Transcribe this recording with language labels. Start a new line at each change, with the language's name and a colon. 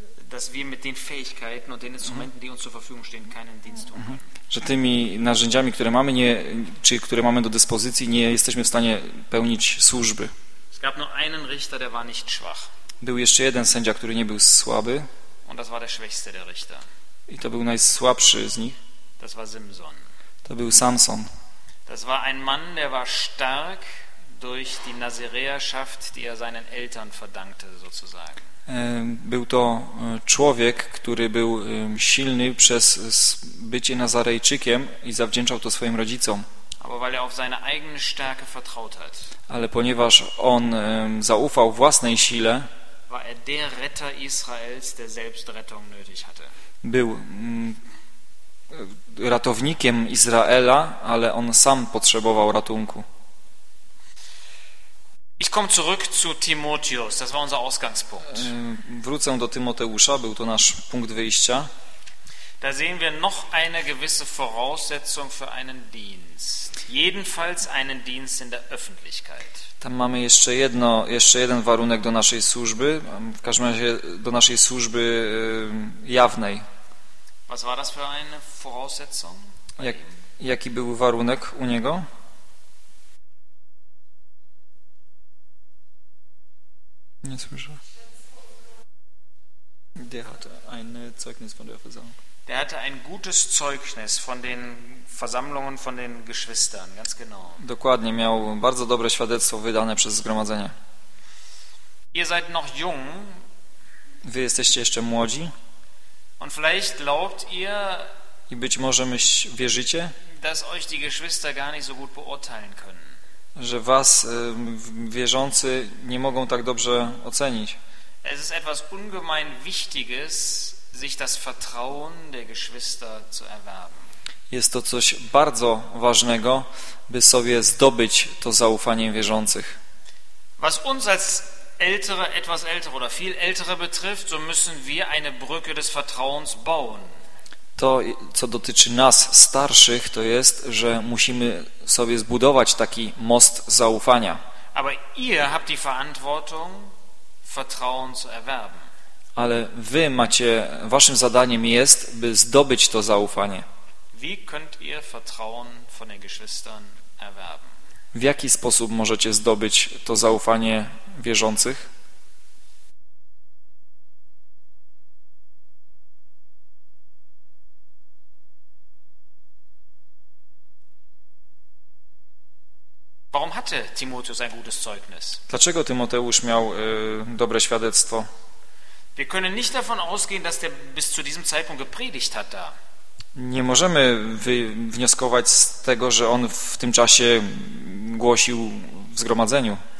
German: Dass wir mit den Fähigkeiten und den Instrumenten, die uns zur Verfügung stehen, keinen Dienst tun können.
Polish: Że tymi narzędziami, które mamy, nie, czy które mamy do dyspozycji, nie jesteśmy w stanie pełnić służby.
German: Es gab nur einen Richter, der war nicht schwach.
Polish: Był jeszcze jeden sędzia, który nie był słaby.
German: Und das war der schwächste der Richter.
Polish: I to był najsłabszy z nich.
German: Das war Simson.
Polish: To był Samson.
German: Das war ein Mann, der war stark durch die Nazireerschaft, die er seinen Eltern verdankte, sozusagen.
Polish: Był to człowiek, który był silny przez bycie Nazarejczykiem i zawdzięczał to swoim rodzicom.
German: Aber weil er auf seine eigene Stärke vertraut hat.
Polish: Ale ponieważ on zaufał własnej sile,
German: war er der Retter Israels, der Selbstrettung nötig hatte.
Polish: Był ratownikiem Izraela, ale on sam potrzebował ratunku.
German: Ich komme zurück zu Timotheus, das war unser Ausgangspunkt.
Polish: Wrócę do Tymoteusza, był to nasz punkt wyjścia.
German: Da sehen wir noch eine gewisse Voraussetzung für einen Dienst. Jedenfalls einen Dienst in der Öffentlichkeit.
Polish: Tam mamy jeszcze jeden warunek do naszej służby, w każdym razie do naszej służby jawnej.
German: Was war das für eine Voraussetzung?
Polish: Jaki był warunek u niego? Nie słyszę.
German: Der hatte ein Zeugnis von der Versammlung. Der hatte ein gutes Zeugnis von den Versammlungen von den Geschwistern, ganz genau.
Polish: Dokładnie, miał bardzo dobre świadectwo wydane przez zgromadzenie.
German: Ihr seid noch jung.
Polish: Wy jesteście jeszcze młodzi.
German: Und vielleicht glaubt ihr,
Polish: i być może wierzycie,
German: dass euch die Geschwister gar nicht so gut beurteilen können.
Polish: Że was wierzący nie mogą tak dobrze ocenić.
German: Es ist etwas ungemein Wichtiges, sich das Vertrauen der Geschwister zu erwerben.
Polish: Jest to coś bardzo ważnego, by sobie zdobyć to zaufanie wierzących.
German: Was uns als Ältere, etwas ältere oder viel ältere betrifft, so müssen wir eine Brücke des Vertrauens bauen.
Polish: To, co dotyczy nas, starszych, to jest, że musimy sobie zbudować taki most zaufania.
German: Aber ihr habt die Verantwortung, Vertrauen zu erwerben.
Polish: Ale wy macie, waszym zadaniem jest, by zdobyć to zaufanie.
German: Wie könnt ihr Vertrauen von den Geschwistern erwerben?
Polish: W jaki sposób możecie zdobyć to zaufanie wierzących?
German: Warum hat hatte Timotheus ein gutes Zeugnis?
Polish: Dlaczego Tymoteusz miał dobre świadectwo?
German: Wir können nicht davon ausgehen, dass der bis zu diesem Zeitpunkt gepredigt hat da.
Polish: Nie możemy wnioskować z tego, że on w tym czasie głosił w zgromadzeniu.